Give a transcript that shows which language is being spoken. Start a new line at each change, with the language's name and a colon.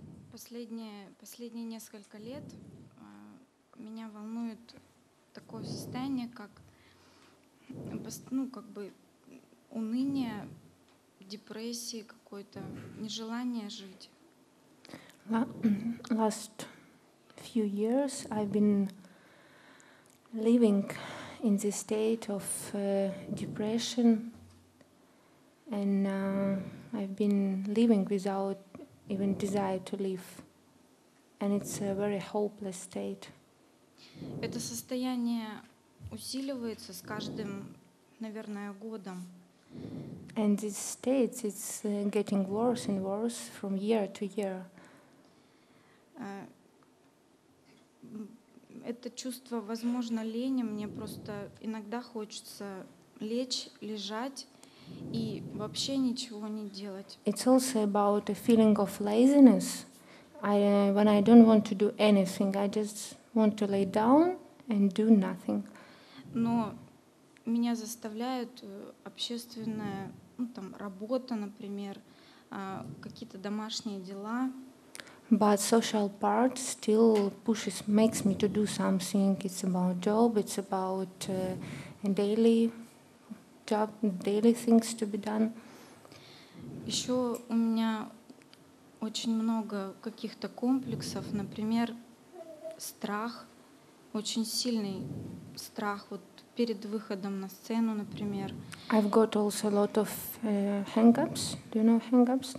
Russian: Последние несколько лет меня волнует такое состояние, как, ну, как бы уныние, депрессии, какое-то нежелание жить.
English: Last few years I've been living in this state of depression, and I've been living without even desire to live, and it's a very hopeless state.
Russian: Это состояние усиливается с каждым, наверное, годом.
English: And this state, it's getting worse and worse from year to year.
Russian: Это чувство, возможно, лени. Мне просто иногда хочется лечь, лежать и вообще ничего не делать.
English: It's also about a feeling of laziness. When I don't want to do anything, I just want to lay down and do nothing.
Russian: Но меня заставляют общественная, ну, там, работа, например, какие-то домашние дела.
English: But social part still pushes, makes me to do something. It's about job, it's about daily job, daily things to be done.
Russian: Еще у меня очень много каких-то комплексов, например, страх, очень сильный страх вот перед выходом на сцену, например.
English: I've got also a lot of hang-ups. Do you know hang-ups?